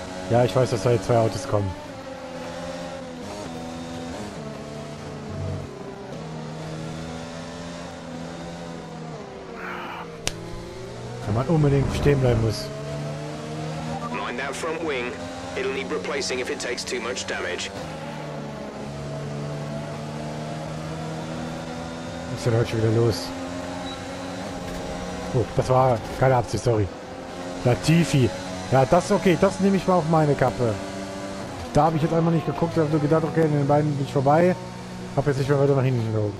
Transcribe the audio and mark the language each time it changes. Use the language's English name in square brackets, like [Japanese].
[German] Ja, ich weiß, dass da jetzt zwei Autos kommen. Man unbedingt stehen bleiben muss. [English] Mind that front wing. It'll need replacing if it takes too much damage. [German] Was ist denn heute schon wieder los? Oh, das war keine Absicht, sorry. Latifi. Ja, das ist okay, das nehme ich mal auf meine Kappe. Da habe ich jetzt einmal nicht geguckt, ich habe nur gedacht, okay, in den beiden bin ich vorbei. Habe jetzt nicht mehr weiter nach hinten gelogen.